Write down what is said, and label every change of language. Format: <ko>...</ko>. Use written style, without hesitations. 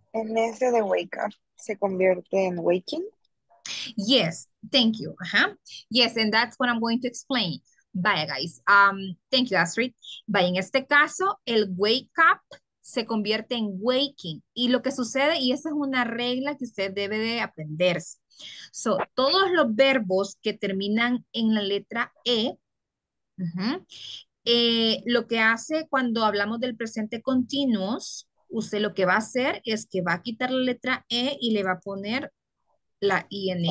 <es>En ese de wake up, ¿se convierte en waking?</es> <en>Yes. Thank you. Uh-huh. Yes, and that's what I'm going to explain. Vaya, guys. Thank you, Astrid.</en> <es>Vaya, en este caso, el wake up se convierte en waking. Y lo que sucede, y esa es una regla que usted debe de aprenderse. So, todos los verbos que terminan en la letra E, uh-huh, lo que hace cuando hablamos del presente continuous, usted lo que va a hacer es que va a quitar la letra E y le va a poner la ING.</es>